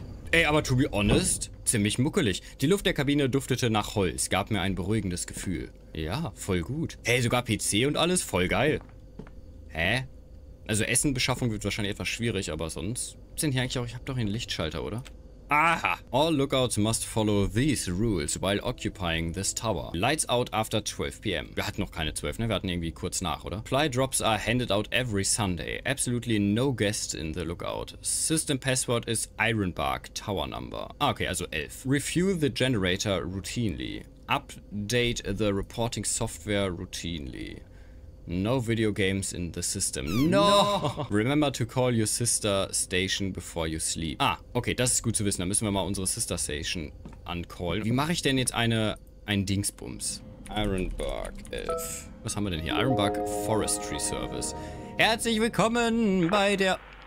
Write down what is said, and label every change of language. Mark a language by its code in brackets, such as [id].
[de] Ey, aber [en] to be honest, [de] ziemlich muckelig. Die Luft der Kabine duftete nach Holz, gab mir ein beruhigendes Gefühl. Ja, voll gut. Hey, sogar PC und alles, voll geil. Hä? Also Essenbeschaffung wird wahrscheinlich etwas schwierig, aber sonst... Gibt's denn hier eigentlich auch... Ich hab doch hier einen Lichtschalter, oder? Aha! [en] All lookouts must follow these rules while occupying this tower. Lights out after 12 PM. [de] Wir hatten noch keine 12, ne? Wir hatten irgendwie kurz nach, oder? [en] Ply drops are handed out every Sunday. Absolutely no guests in the lookout. System password is Ironbark Tower Number. [de] Ah, okay, also 11. [en] Refuel the generator routinely. Update the reporting software routinely. No video games in the system. No! Remember to call your sister station before you sleep. [de] Ah, okay, das ist gut zu wissen. Da müssen wir mal unsere sister station ancallen. Wie mache ich denn jetzt ein Dingsbums? Ironbark 11. Was haben wir denn hier? Ironbark Forestry Service. Herzlich willkommen bei der...